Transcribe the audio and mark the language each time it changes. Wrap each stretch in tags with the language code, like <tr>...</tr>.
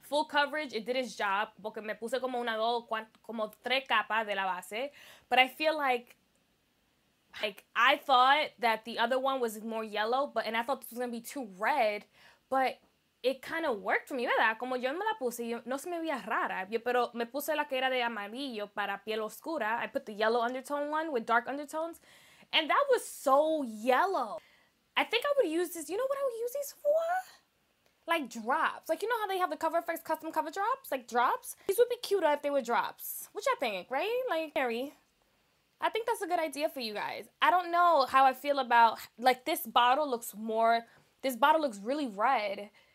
<en>Full coverage, it did its job.</en> <es>Porque me puse como una, dos, como tres capas de la base.</es> <en>But I feel like, I thought that the other one was more yellow, but and I thought this was going to be too red, but it kind of worked for me, ¿verdad?</en> <es>Como yo me la puse, yo, no se me veía rara. Yo, pero me puse la que era de amarillo para piel oscura.</es> <en>I put the yellow undertone one with dark undertones, and that was so yellow. I think I would use this, you know what I would use these for? Like drops. Like, you know how they have the Cover FX custom cover drops? Like drops? These would be cuter if they were drops. What y'all think, right? Like, Mary, I think that's a good idea for you guys. I don't know how I feel about, like, this bottle looks really red.</en>